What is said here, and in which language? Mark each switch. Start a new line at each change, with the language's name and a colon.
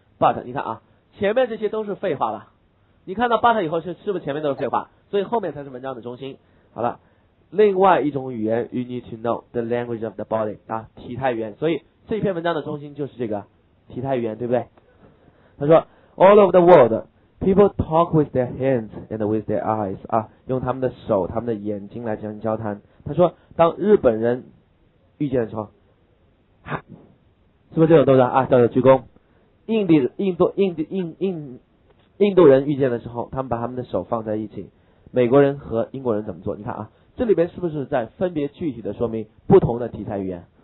Chinese: But, 你看啊，前面这些都是废话了。你看到 but 以后是不是前面都是废话？所以后面才是文章的中心。好了，另外一种语言
English: you need to know the language of the body,
Chinese: 啊，体态语言。所以这篇文章的中心就是这个体态语言，对不对？他说
English: All over the world, people talk with their hands and with their eyes.
Chinese: 啊，用他们的手、他们的眼睛来进行交谈。他说，当日本人遇见的时候，哈，是不是这种动作啊？叫做鞠躬。印度人遇见的时候，他们把他们的手放在一起。美国人和英国人怎么做？你看啊，这里边是不是在分别具体的说明不同的题材语言？